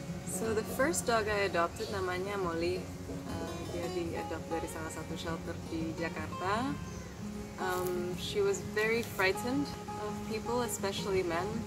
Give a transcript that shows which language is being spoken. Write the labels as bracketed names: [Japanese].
[English] So the first dog I adopted [Indonesian] namanya Molly. Dia diadopt dari salah satu shelter di Jakarta. [English] She was very frightened of people, especially men.